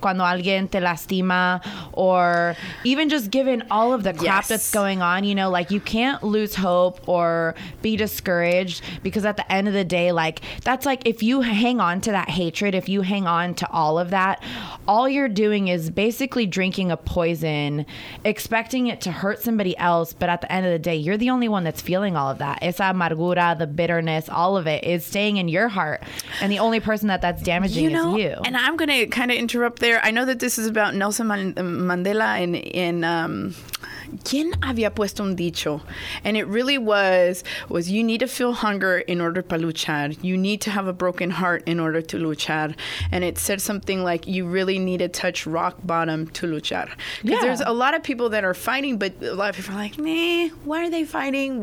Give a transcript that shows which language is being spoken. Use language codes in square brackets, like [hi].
[es] Cuando alguien te lastima, [en] or even just given all of the crap that's going on, you know, like, you can't lose hope or be discouraged, because at the end of the day, like, that's like, if you hang on to that hatred, if you hang on to all of that, all you're doing is basically drinking a poison, expecting it to hurt somebody else. But at the end of the day, you're the only one that's feeling all of that. [es] Esa amargura, [en] the bitterness, all of it is staying in your heart, and the only person that's damaging, you know, is you. And I'm gonna kind of interrupt there. I know that this is about Nelson Mandela, and in [es] ¿quién había puesto un dicho? [en] And it really was you need to feel hunger in order to luchar. You need to have a broken heart in order to luchar. And it said something like, you really need to touch rock bottom to luchar. Because there's a lot of people that are fighting, but a lot of people are like, meh, why are they fighting?